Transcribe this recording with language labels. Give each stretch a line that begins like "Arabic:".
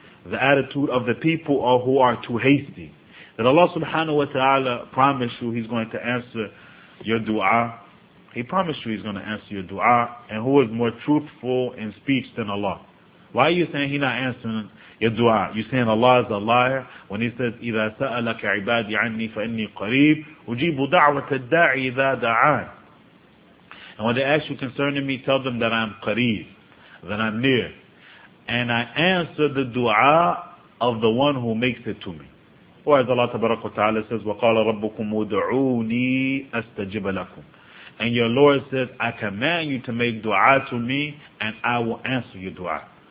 English: The attitude of the people who are too hasty. That Allah subhanahu wa ta'ala promised you He's going to answer your dua. He promised you He's going to answer your dua. And who is more truthful in speech than Allah? Why are you saying He's not answering your dua? You're saying Allah is a liar when He says,
Arabic: إِذَا سَأَلَكَ عِبَادِي عَنِّي فَإِنِّي قَرِيبٌ أُجِيبُ دَعْوَةَ الدَّاعِي إِذَا دَعَانِ.
English: And when they ask you concerning me, tell them that I'm qareeb, that I'm near. And I answer the dua of the one who makes it to me. Or as Allah tabaraka wa ta'ala says,
Arabic: وَقَالَ رَبُّكُمْ وَدْعُونِي أَسْتَجِبَ لَكُمْ.
English: And your Lord says, I command you to make dua to me, and I will answer your dua.